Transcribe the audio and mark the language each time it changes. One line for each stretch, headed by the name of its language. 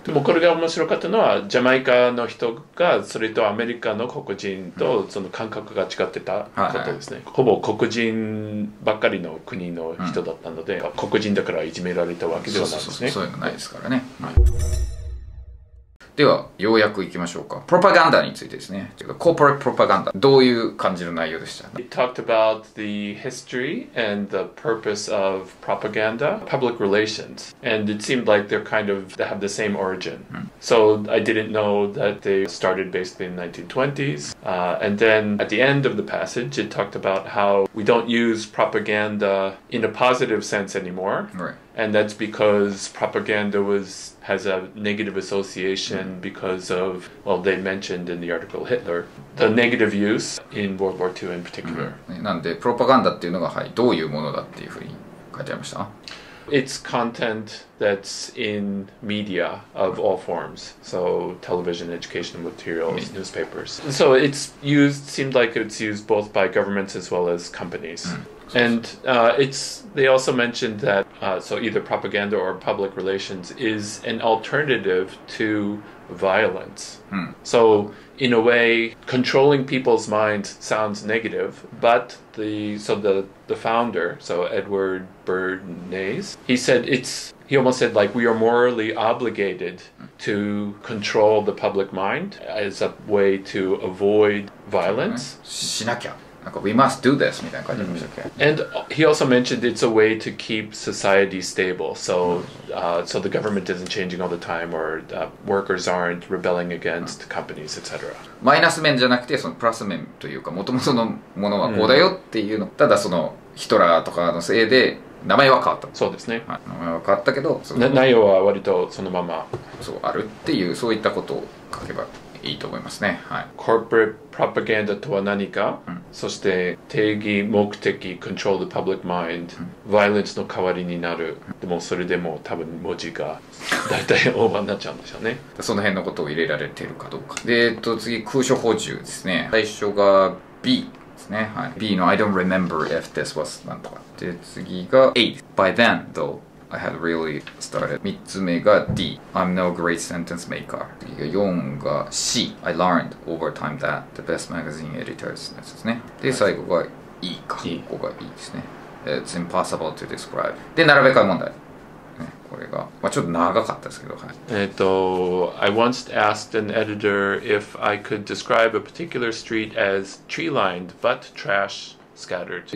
Japanese: という。もうこれが面白かったのはジャマイカの人がそれとアメリカの黒人とその感覚が違ってたことですね、うん、はいはい、ほぼ黒人ばっかりの国の人だったので、うん、黒人だからいじめられたわけではないですね。そういうのないですからね、はい、ではようやくいきましょうか。プロパガンダについてですね。コーポレートプロパガンダ、どういう感じの内容でした？
English: It talked about the history and the purpose of propaganda, public relations, and it seemed like they're kind of they have the same origin.、うん、so I didn't know that they started basically in 1920s.、and then at the end of the passage, it talked about how we don't use propaganda in a positive sense anymore. Right. And that's because propaganda has a negative association、mm-hmm. because of, well, they mentioned in the article Hitler, the negative use in World War II in particular.、 Mm-hmm.
Japanese: なんで、プロパガンダっていうのが、はい、どういうものだっていうふうに書いてありました？
English: It's content that's in media of all forms. So television, educational materials,、mm-hmm. newspapers. So it's used, seemed like it's used both by governments as well as companies.、Mm-hmm.And、they also mentioned that So either propaganda or public relations is an alternative to violence. Hmm. So in a way, controlling people's minds sounds negative, but the founder, so Edward Bernays, he almost said, like, we are morally obligated to control the public mind as a way to avoid violence.
Japanese: しなきゃ。なんか、
English: we must do this
Japanese: みたいな感じでしたっけ。
English: And he also mentioned it's a way to keep society stable. So the government isn't changing all the time or the workers aren't rebelling against companies, etc.
Japanese: マイナス面じゃなくて、そのプラス面というか、もともとのものはこうだよっていうの。ただそのヒトラーとかのせいで、名前は変わった。そうですね。はい、名前は変わったけど、内容は割とそのまま。そう、あるっていう、そういったことを書けばいいと思いますね。はい。
English: Corporate propaganda
Japanese: とは何か、うん、そして定義、目的、
English: control the public mind、
Japanese: うん、violence の代わりになる。うん、でもそれでも多分文字が大体オーバーになっちゃうんでしょうね。その辺のことを入れられてるかどうか。で、次、空所補充ですね。最初が B。ね、はい、B の
English: I don't remember if this was
Japanese: なんとかで、次が A
English: by then though I had really started。
Japanese: 3つ目が
English: D I'm no great sentence maker。
Japanese: 次が4が
English: C I learned over time that the best magazine editors のやつですね。
Japanese: で、最後が E か、 E、ここが E ですね。
English: It's impossible to describe。
Japanese: で、並べ替え問題、ね、これが、まあ、ちょっと長かったですけど、はい、
English: I once asked an editor if I could describe a particular street as tree-lined but trash scattered。